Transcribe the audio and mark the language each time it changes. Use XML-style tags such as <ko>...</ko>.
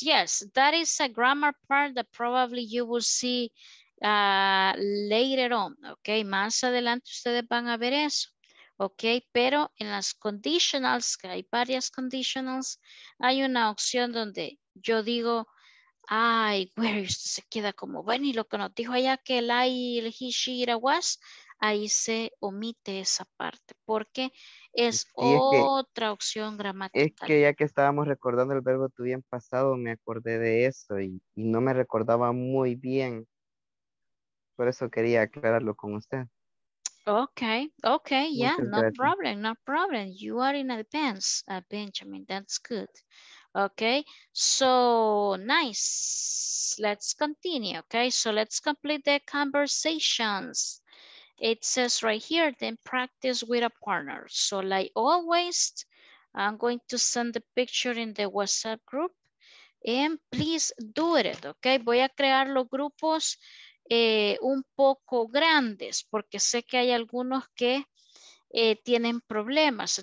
<en>Yes, that is a grammar part that probably you will see later on.</en> <es>Okay, más adelante ustedes van a ver eso. Okay, pero en las conditionals, que hay varias conditionals, hay una opción donde yo digo, ay, where, usted se queda como, bueno, y lo que nos dijo allá que el I, el he, she, it, was, ahí se omite esa parte porque es otra opción gramatical. Es que ya que estábamos recordando el verbo to be en pasado, me acordé de eso y no me recordaba muy bien. Por eso quería aclararlo con usted.</es> <en>Okay, okay, yeah, no problem, no problem. You are in advance, Benjamin, that's good. Okay, so nice. Let's continue, okay? So let's complete the conversations. It says right here, then practice with a partner. So like always, I'm going to send the picture in the WhatsApp group. And please do it, okay?</en> <es>Voy a crear los grupos un poco grandes porque sé que hay algunos que tienen problemas.</es>